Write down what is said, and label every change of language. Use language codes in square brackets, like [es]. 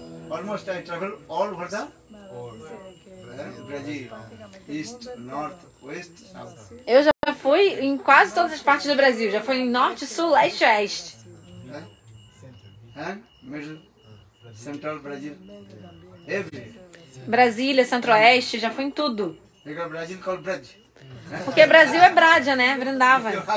[en] Almost I travel all over the Brazil, east, north, west, south. [pt] Eu já fui em quase todas as partes do Brasil. Já fui em norte, sul, leste, oeste. [en] Middle, central Brazil, everywhere. [pt] Brasília, centro-oeste, já fui em tudo. Porque Brasil é [en] called Brad. [pt] Porque Brasil é Bradja, né? Vrindavan.